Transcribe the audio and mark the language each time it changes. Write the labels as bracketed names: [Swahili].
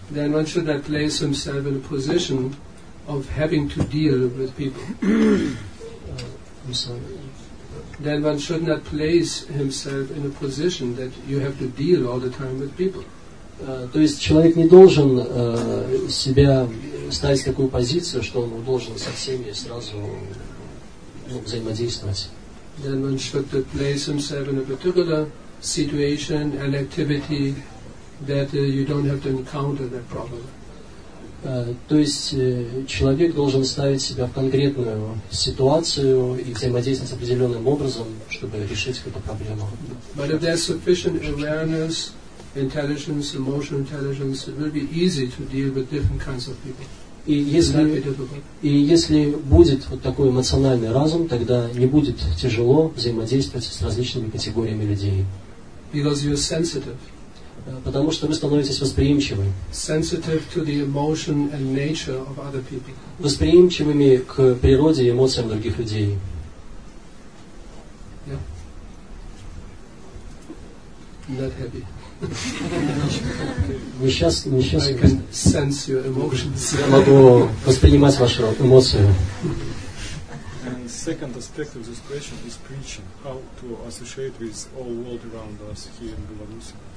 [English] Then one should not place himself in a position of having to deal with people. Then one should not place himself in a position that you have to deal all the time with people. [Russian] То есть человек не должен себя ставить в такую позицию, что он должен со всеми сразу взаимодействовать. [English] Then one should place himself in a particular situation and activity that you don't have to encounter that problem. [Russian] То есть человек должен ставить себя в конкретную ситуацию и взаимодействовать с определенным образом, чтобы решить какую-то проблему. [English] But if there's sufficient awareness, intelligence, emotional intelligence, it will be easy to deal with different kinds of people. [Russian] И если будет вот такой эмоциональный разум, тогда не будет тяжело взаимодействовать с различными категориями людей. [English] Because you're sensitive. [Russian] Потому что вы становитесь восприимчивыми. [English] Sensitive to the emotion and nature of other people. [Russian] Восприимчивыми к природе и эмоциям других людей. [English] Yeah. Not happy. [Russian] Вы сейчас несчастны. [English] I can sense your emotions. [Russian] Я могу воспринимать ваши эмоции. [English] And second aspect of this question is preaching. How to associate with all world around us here in Belarus.